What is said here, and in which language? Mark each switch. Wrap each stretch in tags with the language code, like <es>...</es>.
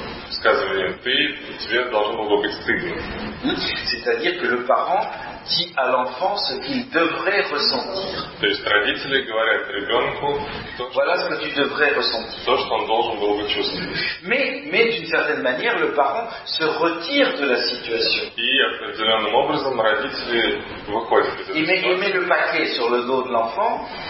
<fr>C'est-à-dire que le parent dit à l'enfant ce qu'il devrait ressentir.</fr> <ru>То есть родители говорят ребенку,</ru> <fr>voilà ce que tu devrais ressentir.</fr> <ru>То, что он должен был бы чувствовать.</ru> <fr>Mais d'une certaine manière, le parent se retire de la situation.</fr> <ru>И определенным образом родители выходят из этой ситуации.</ru> <fr>Il met le paquet sur le dos de l'enfant.</fr>